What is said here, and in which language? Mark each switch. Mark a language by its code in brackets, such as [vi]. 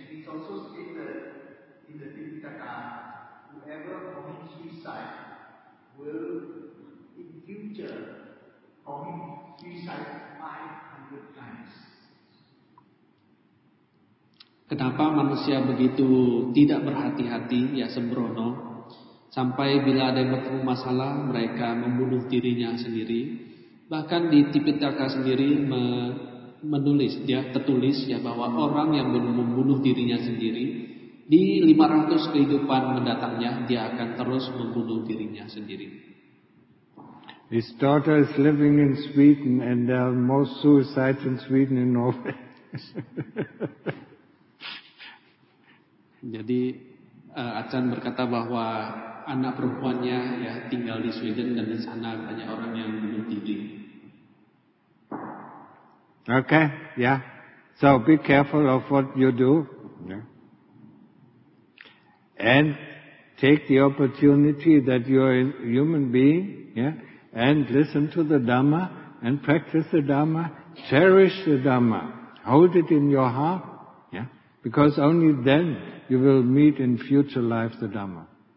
[en] also stated in the Tripitaka, whoever commits suicide will in future commit suicide 500 times. [id] Kenapa manusia begitu tidak berhati-hati, ya sembrono, sampai bila ada yang bertemu masalah, mereka membunuh dirinya sendiri. Bahkan di Tipitaka sendiri menulis, ya, tertulis, ya, bahwa orang yang membunuh dirinya sendiri, di 500 kehidupan mendatangnya, dia akan terus membunuh dirinya sendiri. [en] His daughter is living in Sweden and there are most suicides in Sweden in Norway. [id] Jadi Achan berkata bahwa anak perempuannya ya tinggal di Sweden dan di sana banyak orang yang bunuh diri. [en] Okay, yeah. So be careful of what you do. Yeah. And take the opportunity that you are a human being, yeah, and listen to the Dhamma and practice the Dhamma, cherish the Dhamma, hold it in your heart, yeah, because only then you will meet in future life the Dhamma.